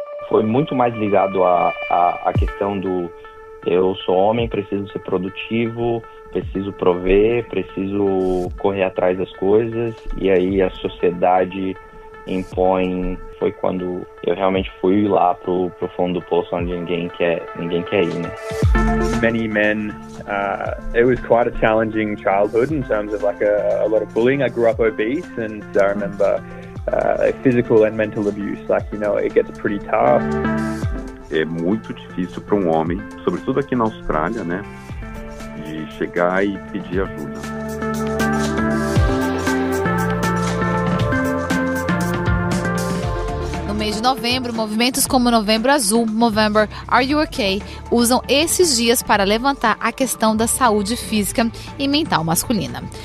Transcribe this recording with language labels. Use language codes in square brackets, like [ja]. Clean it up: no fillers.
[pt] Foi muito mais ligado à questão do eu sou homem, preciso ser produtivo, preciso prover, preciso correr atrás das coisas, e aí a sociedade impõe. Foi quando eu realmente fui lá pro fundo do poço, onde ninguém quer ir, né? [en] Many men, it was quite a challenging childhood in terms of like a lot of bullying. I grew up obese and I remember physical and mental abuse, like, you know, it gets pretty tough. [pt] É muito difícil para um homem, sobretudo aqui na Austrália, né, de chegar e pedir ajuda. No mês de novembro, movimentos como Novembro Azul, Movember, Are You Okay, usam esses dias para levantar a questão da saúde física e mental masculina.